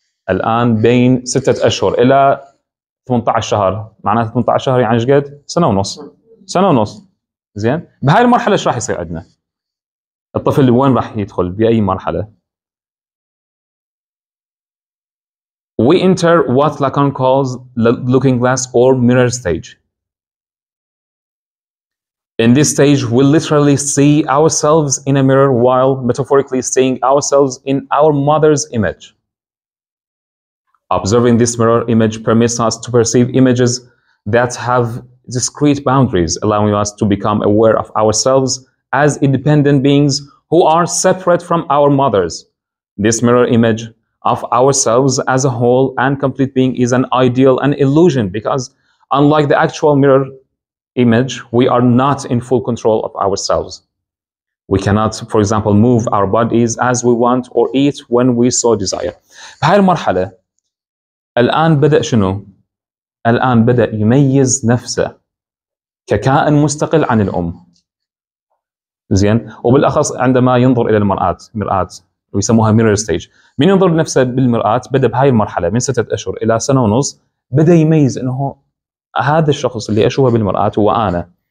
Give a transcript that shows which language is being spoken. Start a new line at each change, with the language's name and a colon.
Arabic: الآن بين 6 أشهر إلى 18 شهر، معناته 18 شهر يعني شقد؟ سنة ونص زين؟ بهاي المرحلة شو راح يصير عندنا؟ الطفل وين راح يدخل؟ بأي مرحلة؟
English: We enter what Lacan calls the looking glass or mirror stage. In this stage, we literally see ourselves in a mirror while metaphorically seeing ourselves in our mother's image. Observing this mirror image permits us to perceive images that have discrete boundaries, allowing us to become aware of ourselves as independent beings who are separate from our mothers. This mirror image of ourselves as a whole and complete being is an ideal and illusion because unlike the actual mirror image, we are not in full control of ourselves. We cannot, for example, move our bodies as we want or eat when we so desire.
Arabic: بهاي المرحلة الآن بدأ شنو؟ الآن بدأ يميز نفسه ككائن مستقل عن الأم. زين؟ وبالأخص عندما ينظر إلى المرآة مرآة ويسموها mirror stage. من ينظر نفسه بالمرآة بدأ بهاي المرحلة من 6 أشهر إلى سنة ونص بدأ يميز أنه هذا الشخص اللي أشوفه بالمرآة هو أنا.